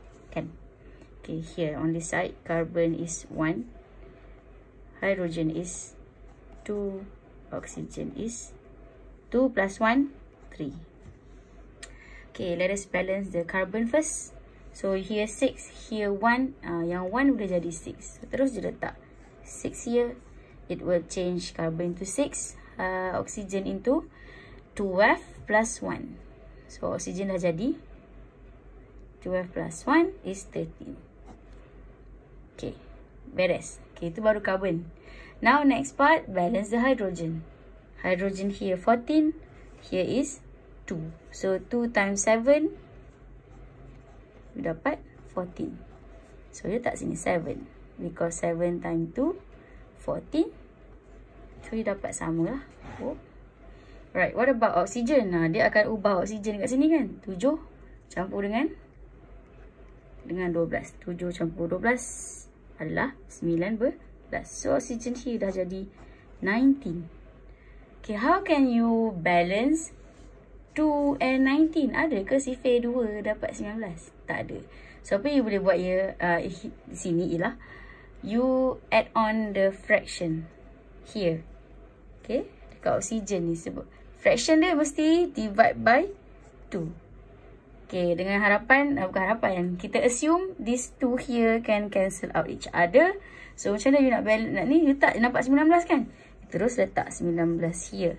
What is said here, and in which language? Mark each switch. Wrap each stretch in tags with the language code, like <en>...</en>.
<en>Kan? Okay, here on this side, carbon is 1, hydrogen is 2, oxygen is 2 plus 1, 3. Okay, let us balance the carbon first. So here 6, here 1,</en> <ms>yang 1 boleh jadi 6.</ms> <en>So,</en> <ms>terus je letak 6</ms> <en>here, it will change carbon into 6, oxygen into 2F plus 1. So oxygen</en> <ms>dah jadi</ms> <en>2F plus 1 is 13. Okay, beres. Okay,</en> <ms>itu baru carbon.</ms> <en>Now next part, balance the hydrogen. Hydrogen here 14, here is 2. So 2 times 7, you dapat 14. So you tak sini 7, because 7 times 2 14. So you</en> <ms>dapat sama lah.</ms> <en>Oh. Right, what about oxygen?</en> <ms>Nah, dia akan ubah oxygen kat sini kan. 7 campur dengan 12. 7 campur 12 adalah 19.</ms> <en>So oxygen here</en> <ms>dah jadi 19.</ms> <en>Okay, how can you balance 2 and 19?</en> <ms>Adakah sifir 2 dapat 19? Tak ada. So, apa you boleh buat ya di sini ialah</ms> <en>you add on the fraction here.</en> <ms>Okay? Dekat oksigen ni sebut. Fraction dia mesti</ms> <en>divide by 2. Okay,</en> <ms>dengan harapan, bukan harapan. Kita</ms> <en>assume these 2 here can cancel out each other.</en> <ms>So, macam mana you nak balance nak ni? You tak nampak 19 kan? Terus letak 19 here.</ms>